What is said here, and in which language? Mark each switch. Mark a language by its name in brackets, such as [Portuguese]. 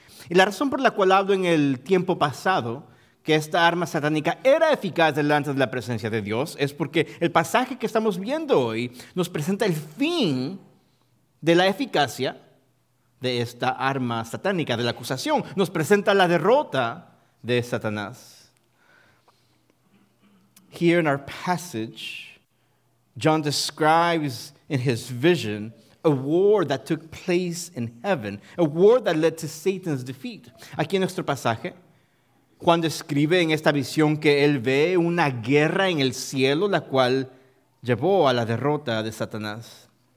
[Spanish] Y la razón por la cual hablo en el tiempo pasado que esta arma satánica era eficaz delante de la presencia de Dios es porque el pasaje que estamos viendo hoy nos presenta el fin de la eficacia de esta arma satánica, de la acusación. Nos presenta la derrota de Satanás. [English] Here in our passage, John describes in his vision a war that took place in heaven, a war that led to Satan's defeat. [Spanish] Aquí en nuestro pasaje, Juan describe en esta visión que él ve una guerra en el cielo, la cual llevó a la derrota de Satanás.